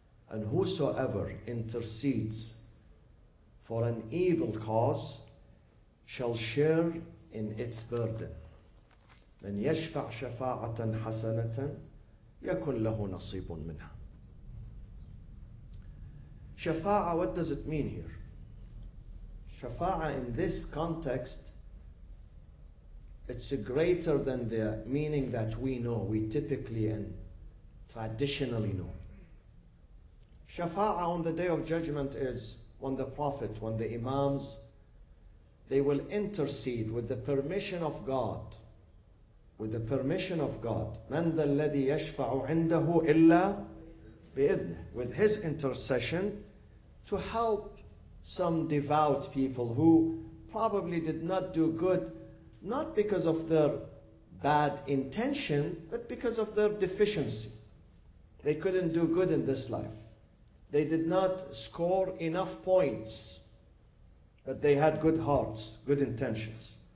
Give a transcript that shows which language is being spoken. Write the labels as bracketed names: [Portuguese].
[English] And whosoever intercedes for an evil cause shall share in its burden. [Arabic] من يشفع شفاعة حسنة يكن له نصيب منها. [English] شفاعة, what does it mean here? شفاعة in this context, it's a greater than the meaning that we know, we typically and traditionally know. شفاعة on the Day of Judgment is when the Prophet, when the Imams, they will intercede with the permission of God. With the permission of God. [Arabic] من ذا الذي يشفع عنده إلا بإذنه. [English] With his intercession to help some devout people who probably did not do good, not because of their bad intention, but because of their deficiency. They couldn't do good in this life. They did not score enough points, but they had good hearts, good intentions.